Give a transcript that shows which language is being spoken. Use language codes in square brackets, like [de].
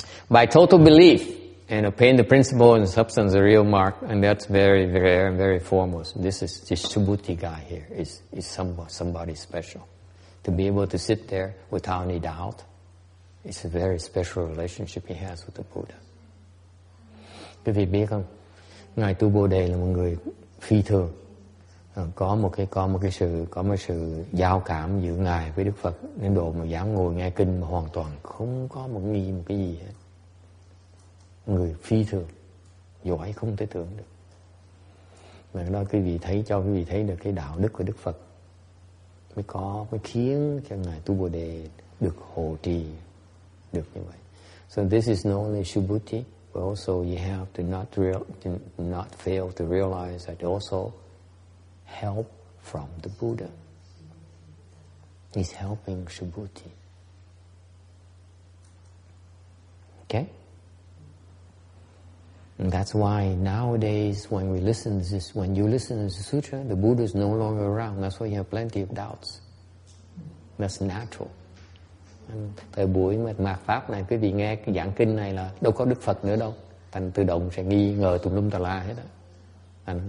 [en] By total belief and obeying the principle and substance, the real mark, and that's very, very, very foremost. This Shubhuti guy here is somebody special. To be able to sit there without any doubt, it's a very special relationship he has with the Buddha. [vi] Quý vị biết không? Ngài Tu Bồ Đề là một người phi thường. Có một sự giao cảm giữa ngài với Đức Phật, nên độ mà dám ngồi nghe kinh mà hoàn toàn không có một nghi một cái gì hết. Người phi thường, giỏi không thể tưởng được. Và đó quý vị thấy được cái đạo đức của Đức Phật mới khiến cho ngài Tu Bồ Đề được hộ trì được như vậy. [en] So this is not only Shubhuti, but also you have to not fail to realize that also help from the Buddha. He's helping Shubhuti. Okay? And that's why nowadays when we listen to this, when you listen to the sutra, the Buddha is no longer around. That's why you have plenty of doubts. That's natural. [vi] And thời buổi mạt pháp này, quý vị nghe giảng kinh này là đâu có Đức Phật nữa đâu. Thành tự động sẽ nghi ngờ tùm lum tà la hết đó.